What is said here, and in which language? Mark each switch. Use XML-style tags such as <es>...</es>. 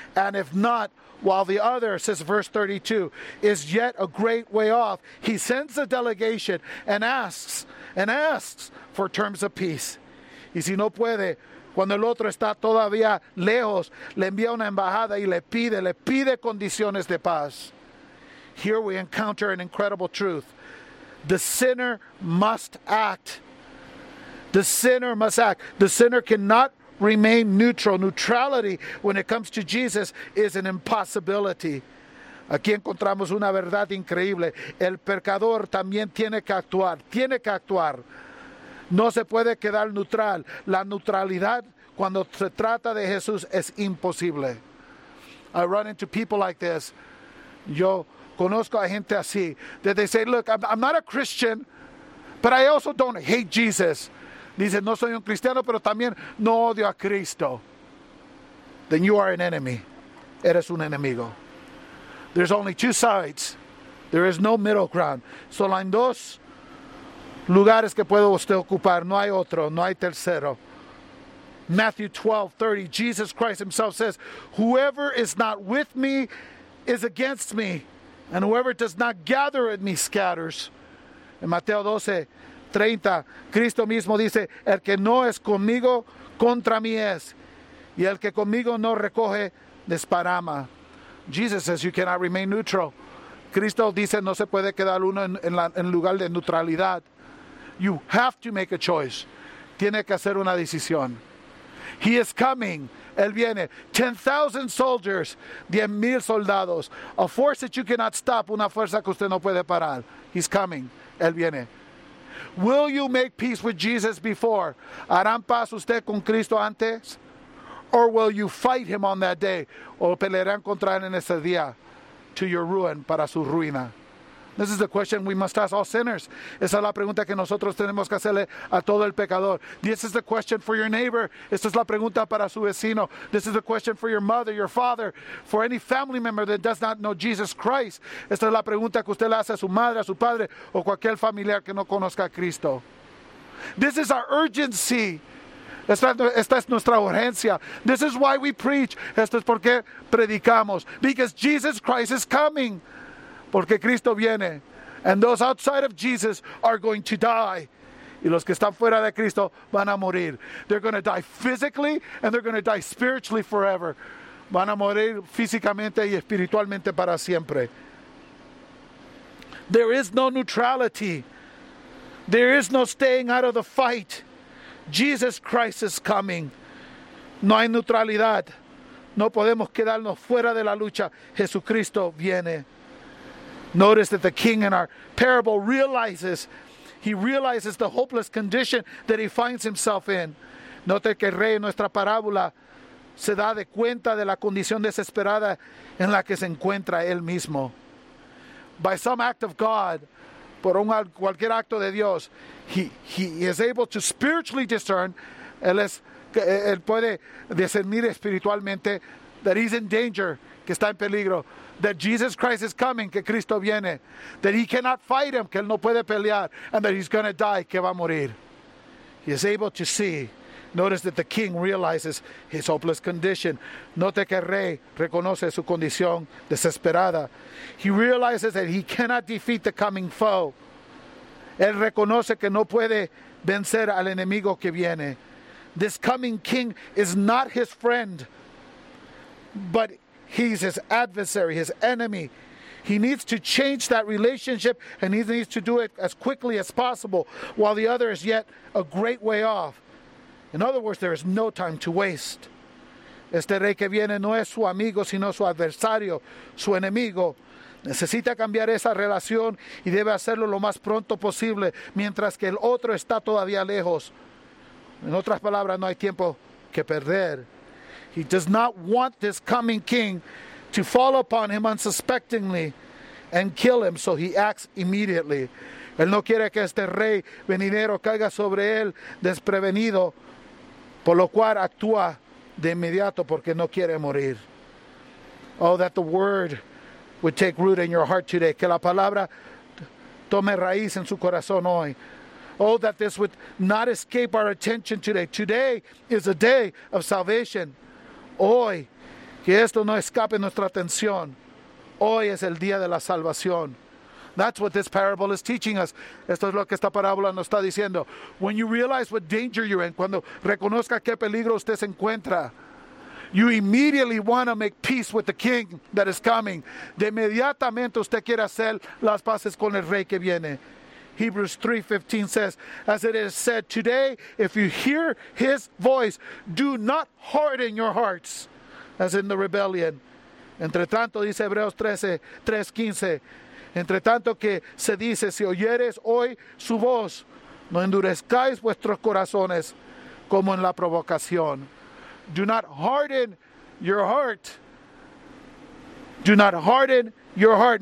<en>And if not, while the other, says verse 32, is yet a great way off, he sends a delegation and asks for terms of peace.</en> <es>Y si no puede, cuando el otro está todavía lejos, le envía una embajada y le pide condiciones de paz.</es> <en>Here we encounter an incredible truth. The sinner must act. The sinner must act. The sinner cannot remain neutral. Neutrality, when it comes to Jesus, is an impossibility.</en> <es>Aquí encontramos una verdad increíble. El pecador también tiene que actuar. Tiene que actuar. No se puede quedar neutral. La neutralidad cuando se trata de Jesús es imposible.</es> <en>I run into people like this.</en> <es>Yo conozco a gente así.</es> <en>That they say, look, I'm not a Christian, but I also don't hate Jesus.</en> <es>Dicen, no soy un cristiano, pero también no odio a Cristo.</es> <en>Then you are an enemy.</en> <es>Eres un enemigo.</es> <en>There's only two sides. There is no middle ground.</en> <es>Solo hay dos lugares que puede usted ocupar. No hay otro. No hay tercero.</es> <en>Matthew 12:30, Jesus Christ himself says, whoever is not with me is against me, and whoever does not gather with me scatters.</en> <es>En Mateo 12:30, Cristo mismo dice, el que no es conmigo, contra mí es, y el que conmigo no recoge, desparrama.</es> <en>Jesus says, you cannot remain neutral.</en> <es>Cristo dice, no se puede quedar uno en lugar de neutralidad.</es> <en>You have to make a choice.</en> <es>Tiene que hacer una decisión.</es> <en>He is coming.</en> <es>Él viene.</es> <en>10,000 soldiers.</en> <es>10,000 soldados.</es> <en>A force that you cannot stop.</en> <es>Una fuerza que usted no puede parar.</es> <en>He's coming.</en> <es>Él viene.</es> <en>Will you make peace with Jesus before?</en> <es>¿Harán paz usted con Cristo antes? Or will you fight him on that day? ¿O pelearán contra él en ese día?</es> <en>To your ruin,</en> <es>para su ruina.</es> <en>This is the question we must ask all sinners.</en> <es>Esa es la pregunta que nosotros tenemos que hacerle a todo el pecador.</es> <en>This is the question for your neighbor.</en> <es>Esta es la pregunta para su vecino.</es> <en>This is the question for your mother, your father, for any family member that does not know Jesus Christ.</en> <es>Esta es la pregunta que usted le hace a su madre, a su padre, o cualquier familiar que no conozca a Cristo.</es> <en>This is our urgency.</en> <es>Esta es nuestra urgencia.</es> <en>This is why we preach.</en> <es>Esto es porque predicamos.</es> <en>Because Jesus Christ is coming.</en> <es>Porque Cristo viene.</es> <en>And those outside of Jesus are going to die.</en> <es>Y los que están fuera de Cristo van a morir.</es> <en>They're going to die physically and they're going to die spiritually forever.</en> <es>Van a morir físicamente y espiritualmente para siempre.</es> <en>There is no neutrality. There is no staying out of the fight. Jesus Christ is coming.</en> <es>No hay neutralidad. No podemos quedarnos fuera de la lucha. Jesucristo viene.</es> <en>Notice that the king in our parable realizes the hopeless condition that he finds himself in.</en> <es>Note que el rey en nuestra parábola se da de cuenta de la condición desesperada en la que se encuentra él mismo.</es> <en>By some act of God,</en> <es>por cualquier acto de Dios,</es> <en>he is able to spiritually discern,</en> <es>él puede discernir espiritualmente,</es> <en>that he's in danger,</en> <es>que está en peligro,</es> <en>that Jesus Christ is coming,</en> <es>que Cristo viene,</es> <en>that he cannot fight him,</en> <es>que él no puede pelear,</es> <en>and that he's going to die,</en> <es>que va a morir.</es> <en>He is able to see. Notice that the king realizes his hopeless condition.</en> <es>Note que el rey reconoce su condición desesperada.</es> <en>He realizes that he cannot defeat the coming foe.</en> <es>Él reconoce que no puede vencer al enemigo que viene.</es> <en>This coming king is not his friend, but he's his adversary, his enemy. He needs to change that relationship, and he needs to do it as quickly as possible while the other is yet a great way off. In other words, there is no time to waste.</en> <es>Este rey que viene no es su amigo, sino su adversario, su enemigo. Necesita cambiar esa relación y debe hacerlo lo más pronto posible, mientras que el otro está todavía lejos. En otras palabras, no hay tiempo que perder.</es> <en>He does not want this coming king to fall upon him unsuspectingly and kill him, so he acts immediately.</en> <es>Él no quiere que este rey venidero caiga sobre él desprevenido, por lo cual actúa de inmediato porque no quiere morir.</es> <en>Oh, that the word would take root in your heart today.</en> <es>Que la palabra tome raíz en su corazón hoy.</es> <en>Oh, that this would not escape our attention today. Today is a day of salvation.</en> <es>Hoy, que esto no escape nuestra atención. Hoy es el día de la salvación.</es> <en>That's what this parable is teaching us.</en> <es>Esto es lo que esta parábola nos está diciendo.</es> <en>When you realize what danger you're in,</en> <es>cuando reconozca qué peligro usted se encuentra,</es> <en>you immediately want to make peace with the king that is coming.</en> <es>De inmediatamente usted quiere hacer las paces con el rey que viene.</es> <en>Hebrews 3:15 says, as it is said, today, if you hear his voice, do not harden your hearts, as in the rebellion.</en> <es>Entre tanto, dice Hebreos 3:15, entre tanto que se dice, si oyeres hoy su voz, no endurezcáis vuestros corazones como en la provocación.</es> <en>Do not harden your heart. Do not harden your heart.</en>